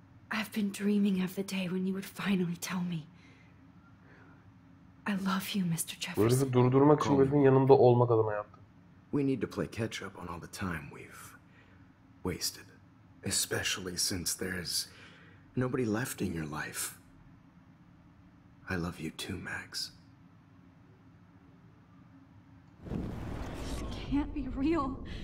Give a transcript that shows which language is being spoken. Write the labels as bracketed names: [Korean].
[English] I've been dreaming of the day when you would finally tell me. I love you, Mr. Jefferson. [Turkish] Bunu durdurmak için benim yanımda olmak adına yaptım. [English] We need to play catch up on all the time we've wasted, especially since there's nobody left in your life. I love you too, Max. This can't be real.